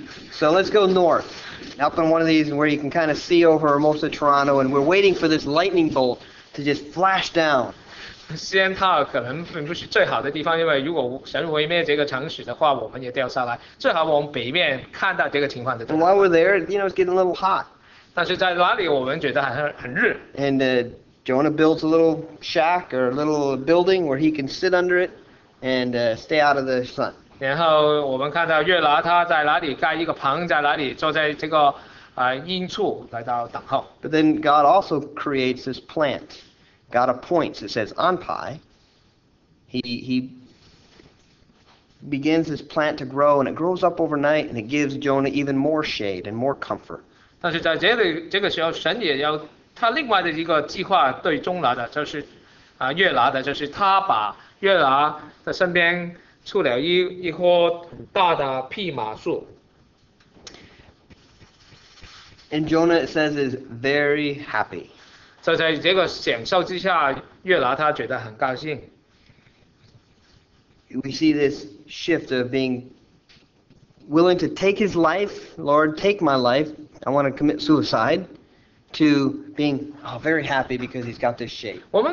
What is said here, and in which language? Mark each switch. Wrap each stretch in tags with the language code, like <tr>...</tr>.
<en>So let's go north, up on one of these where you can kind of see over most of Toronto, and we're waiting for this lightning bolt to just flash down.</en> <zh>CN Tower 可能并不是最好的地方，因为如果神毁灭这个城市的话，我们也掉下来。最好往北面看到这个情况的。While</zh> <en>we're there, you know, it's getting a little hot.</en> <zh>但是在哪里我们觉得很热。</zh> <en>And Jonah builds a little shack or a little building where he can sit under it and stay out of the sun.</en> <zh>然后我们看到约拿他在哪里盖一个棚，在哪里坐在这个阴处来到等候。</zh> <en>But then God also creates this plant. God appoints, it says, Anpai. He begins this plant to grow, and it grows up overnight, and it gives Jonah even more shade and more comfort.</en> <zh>但是在这个时候，神也要他另外的一个计划对中拿的，就是约拿的，就是他把约拿的身边出了一棵大的蓖麻树。</zh> <en>And Jonah, it says, is very happy.</en> <zh>所以在这个享受之下，约拿他觉得很高兴。</zh> <en>We see this shift of being willing to take his life, Lord, take my life, I want to commit suicide, to being very happy because he's got this shape.</en>